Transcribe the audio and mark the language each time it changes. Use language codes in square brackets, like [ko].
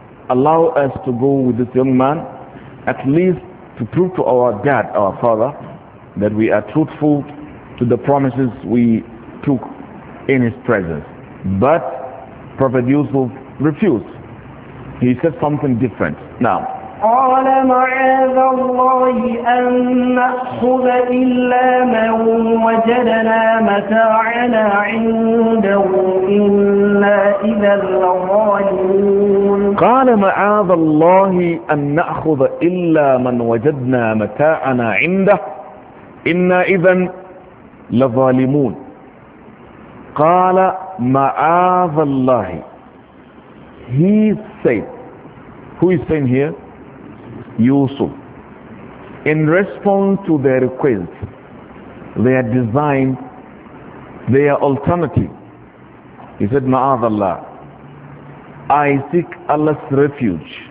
[en] Allow us to go with this young man, at least to prove to our dad, our father, that we are truthful to the promises we took in his presence. But Prophet Yusuf refused. He said something different. Now, [ar] قال معاذ الله أن نأخذ إلا من وجدنا متاعنا عنده إلا إذا لظالمون. قال معاذ الله أن نأخذ إلا من وجدنا متاعنا عنده إنا إذا لظالمون. قال معاذ الله. [en] He said, who is saying here? Yusuf, in response to their request, their design, their alternative, he said, Ma'ad Allah, I seek Allah's refuge.